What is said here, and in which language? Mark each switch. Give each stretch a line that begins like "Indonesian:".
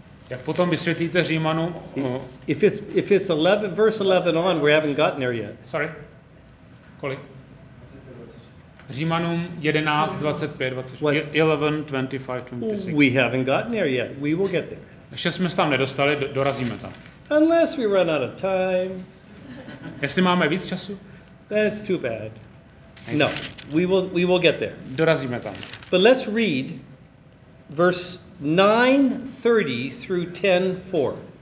Czech: Jak potom vysvětlíte Římanům?
English: If it's 11, verse 11 on, we haven't gotten there yet. Sorry.
Czech: Kolik? Římanům 11, 25, 26. 11, 25, 26.
English: We haven't gotten there yet. We will get there.
Czech: Ještě jsme se tam nedostali, dorazíme tam.
English: Unless we run out of time.
Czech: Jestli máme víc času?
English: That's too bad. No, we will get there.
Czech: Dorazíme tam.
English: But let's read verse 9:30 through 10:4.